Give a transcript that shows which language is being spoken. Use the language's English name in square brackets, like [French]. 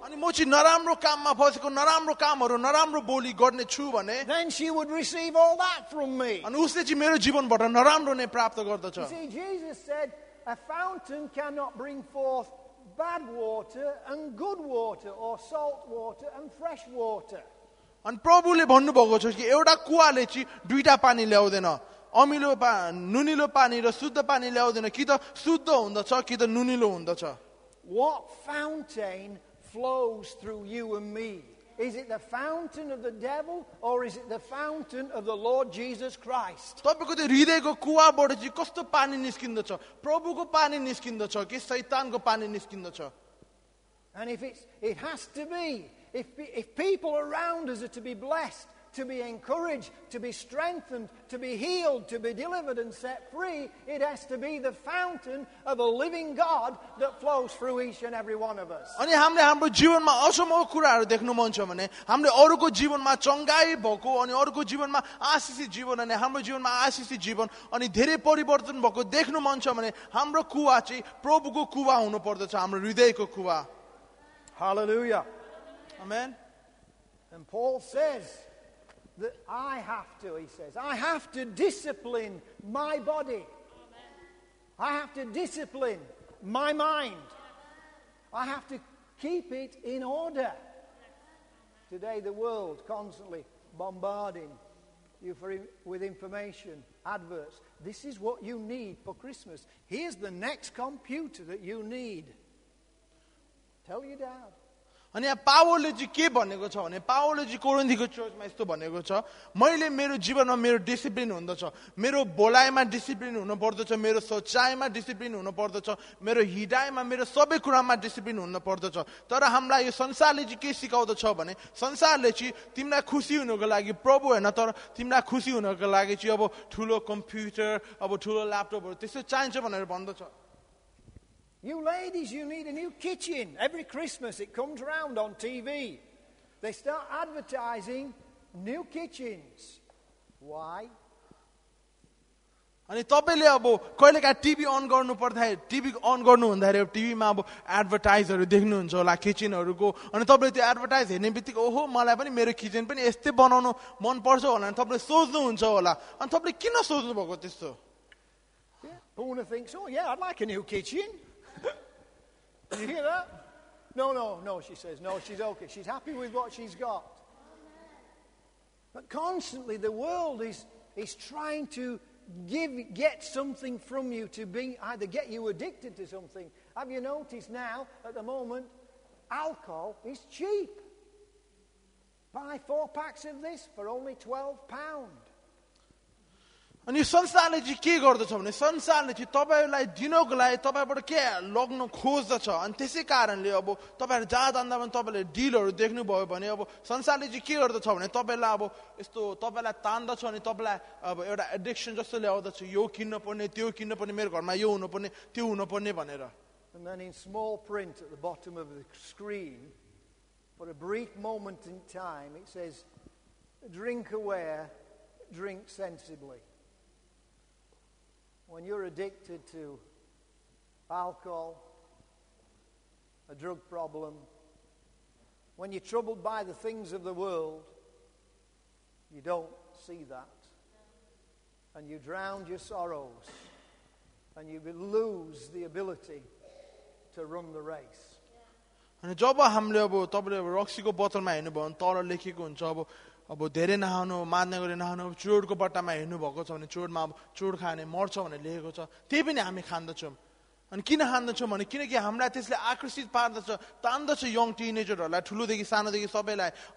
[Nepali] अनि म चाहिँ नराम्रो काममा फसेको नराम्रो कामहरू नराम्रो बोली गर्ने छु भने, [English] then she would receive all that from me. [Nepali] अनि उसले चाहिँ मेरो जीवनबाट नराम्रो नै प्राप्त गर्दछ. [English] See, Jesus said, a fountain cannot bring forth bad water and good water, or salt water and fresh water. [Nepali] अनि प्रभुले भन्नुभएको छ कि एउटा कुवाले चाहिँ दुईटा पानी ल्याउँदैन, अमिलो पानी नुनिलो पानी र शुद्ध पानी ल्याउँदैन, कि त शुद्ध हुँदछ कि त नुनिलो हुँदछ. [English] What fountain flows through you and me? Is it the fountain of the devil or is it the fountain of the Lord Jesus Christ? [Nepali] तपाईको त हृदयको कुवाबाट चाहिँ कस्तो पानी निस्किन्दछ, प्रभुको पानी निस्किन्दछ कि शैतानको पानी निस्किन्दछ? [English] And if it has to be, if people around us are to be blessed, to be encouraged, to be strengthened, to be healed, to be delivered and set free, it has to be the fountain of a living God that flows through each and every one of us. [Nepali] अनि हामीले हाम्रो जीवनमा असम कुराहरु देख्नु मन छ भने, हामीले अरुको जीवनमा चंगाई भएको अनि अरुको जीवनमा आशिषी जीवन अनि हाम्रो जीवनमा आशिषी जीवन अनि धेरै परिवर्तन भएको देख्नु मन छ भने, हाम्रो कुवा चाहिँ प्रभुको कुवा हुनु पर्दछ, हाम्रो हृदयको कुवा. [English] Hallelujah. Amen. And Paul says that I have to, he says, I have to discipline my body. Amen. I have to discipline my mind. I have to keep it in order. Today the world constantly bombarding you with information, adverts. This is what you need for Christmas. Here's the next computer that you need. Tell your dad. [Nepali] अनि यहाँ पावरले चाहिँ के भनेको छ भने, पावरले चाहिँ कोरिन्थीको चर्चमा यस्तो भनेको छ, मैले मेरो जीवनमा मेरो डिसिप्लिन हुँदछ, मेरो बोलाइमा डिसिप्लिन हुनुपर्दछ, मेरो सोचाइमा डिसिप्लिन हुनुपर्दछ, मेरो हिडाइमा मेरो सबै कुरामा डिसिप्लिन हुनु पर्दछ. तर हामीलाई यो संसारले चाहिँ के सिकाउँदछ भने, संसारले चाहिँ तिमीलाई खुसी हुनुको लागि प्रभु होइन, तर तिमीलाई खुसी हुनको लागि चाहिँ अब ठुलो कम्प्युटर, अब ठुलो ल्यापटपहरू त्यस्तो चाहिन्छ भनेर भन्दछ. [English] You ladies, you need a new kitchen. Every Christmas it comes round on TV. They start advertising new kitchens. Why? [Nepali] अनि तपाईँले अब कहिलेकाहीँ टिभी अन गर्नु पर्दाखेरि, टिभी अन गर्नु हुँदाखेरि टिभीमा अब एडभर्टाइजहरू देख्नुहुन्छ होला किचनहरूको, अनि तपाईँले त्यो एडभर्टाइज हेर्ने बित्तिकै ओहो मलाई पनि मेरो किचन पनि यस्तै बनाउनु मनपर्छ होला, अनि तपाईँले सोच्नुहुन्छ होला, अनि तपाईँले किन सोच्नु भएको त्यस्तो? [English] Puna thinks, oh yeah, I'd like a new kitchen. You hear that? No, she says. No, she's okay. She's happy with what she's got. But constantly the world is trying to get something from you to be either get you addicted to something. Have you noticed now, at the moment, alcohol is cheap. Buy 4 packs of this for only £12. [Nepali] अनि संसारले चाहिँ के गर्दछ भने, संसारले चाहिँ तपाईँलाई दिनको लागि तपाईँबाट के लग्न खोज्दछ, अनि त्यसै कारणले अब तपाईँहरू जहाँ जाँदा पनि तपाईँले डिलहरू देख्नुभयो भने, अब संसारले चाहिँ के गर्दछ भने, तपाईँलाई अब यस्तो तपाईँलाई तान्दछ, अनि तपाईँलाई अब एउटा एडिक्सन जस्तो ल्याउँदछ, यो किन्नुपर्ने, त्यो किन्नुपर्ने, मेरो घरमा यो हुनुपर्ने, त्यो हुनुपर्ने भनेर. [English] And then in small print at the bottom of the screen, for a brief moment in time, it says, drink aware, drink sensibly. When you're addicted to alcohol, a drug problem, when you're troubled by the things of the world, you don't see that. And you drown your sorrows and you lose the ability to run the race. [Nepali] अनि जब हामीले अब तपाईँले रक्सीको बोतलमा हेर्नुभयो भने तर लेखेको हुन्छ, अब धेरै नहानु, मान्ने गरी नहानु, चोरको बट्टामा हेर्नुभएको छ भने चोरमा अब चोर खाने मर्छ भनेर लेखेको छ, त्यही पनि हामी खाँदछौँ. अनि किन खाँदछौँ भने, किनकि हामीलाई त्यसले आकर्षित पार्दछ, तान्दछ यङ टिनेजरहरूलाई, ठुलोदेखि सानोदेखि सबैलाई.